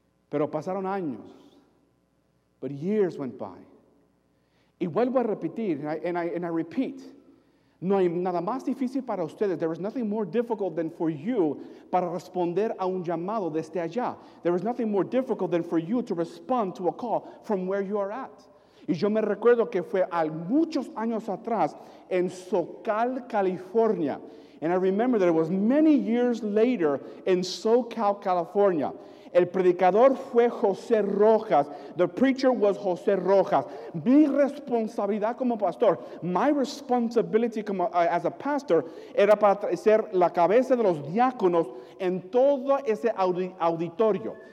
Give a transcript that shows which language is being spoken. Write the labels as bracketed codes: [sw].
[es] Pero pasaron años. [en] But years went by. [es] Y vuelvo a repetir, [en] and I repeat. [es] No hay nada más difícil para ustedes. [en] There is nothing more difficult than for you [es] para responder a un llamado desde allá. [en] There is nothing more difficult than for you to respond to a call from where you are at. [es] Y yo me recuerdo que fue muchos años atrás en Socal, California. [en] And I remember that it was many years later in Socal, California. [es] El predicador fue José Rojas. [en] The preacher was José Rojas. [es] Mi responsabilidad como pastor, [en] my responsibility [es] como, [en] as a pastor, [es] era para ser la cabeza de los diáconos en todo ese auditorio.